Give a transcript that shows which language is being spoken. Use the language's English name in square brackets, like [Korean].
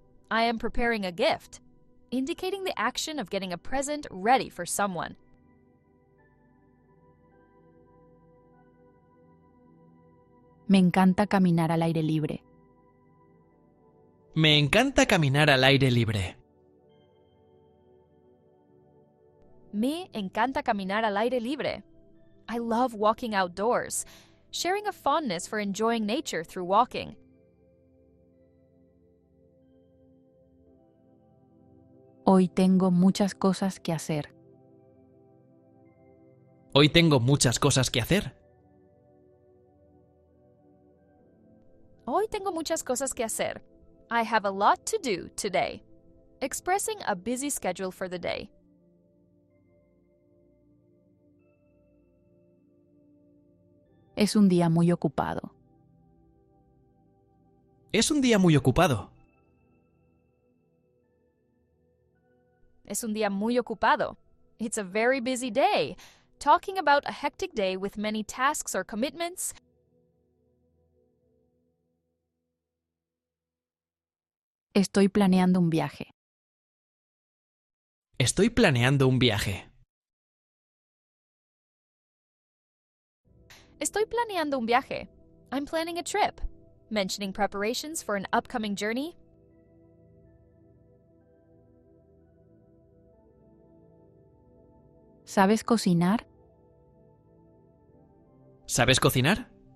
[English] I am preparing a gift, indicating the action of getting a present ready for someone. [Spanish] Me encanta caminar al aire libre. Me encanta caminar al aire libre. Me encanta caminar al aire libre. [English] I love walking outdoors, sharing a fondness for enjoying nature through walking. [Spanish] Hoy tengo muchas cosas que hacer. Hoy tengo muchas cosas que hacer. Hoy tengo muchas cosas que hacer. [English] I have a lot to do today. Expressing a busy schedule for the day. [Spanish] Es un día muy ocupado. Es un día muy ocupado. Es un día muy ocupado. [English] It's a very busy day. Talking about a hectic day with many tasks or commitments. [Spanish] Estoy planeando un viaje. Estoy planeando un viaje. Estoy planeando un viaje. [English] I'm planning a trip. Mentioning preparations for an upcoming journey. [Spanish] ¿Sabes cocinar? ¿Sabes cocinar?